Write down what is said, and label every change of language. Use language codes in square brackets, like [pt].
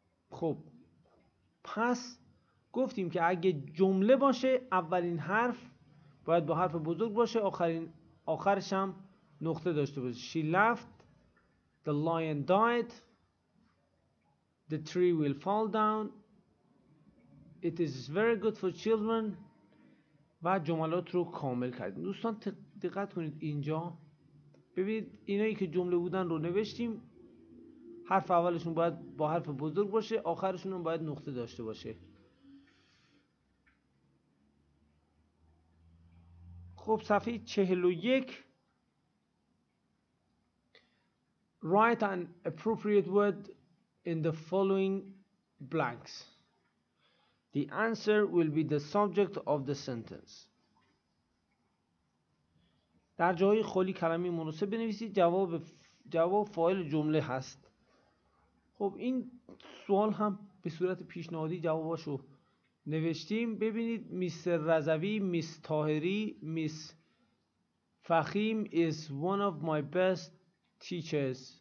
[fa] خب پس گفتیم که اگه جمله باشه اولین حرف باید با حرف بزرگ باشه، آخرش هم نقطه داشته باشه. [en] She left, the lion died, the tree will fall down, it is very good for children. [fa] و جملات رو کامل کردیم. دوستان دقت کنید اینجا، ببینید اینایی که جمله بودن رو نوشتیم، حرف اولشون باید با حرف بزرگ باشه، آخرشون هم باید نقطه داشته باشه. خب صفحه 41، [en] write an appropriate word in the following blanks. The answer will be the subject of the sentence. [fa] در جای خالی کلمه مناسب بنویسید. جواب فاعل جمله هست. خب این سوال هم به صورت پیشنهادی جواباشو نوشتیم. [en] ببینید mister Razavi, miss Taheri, miss Fakhim is one of my best teachers.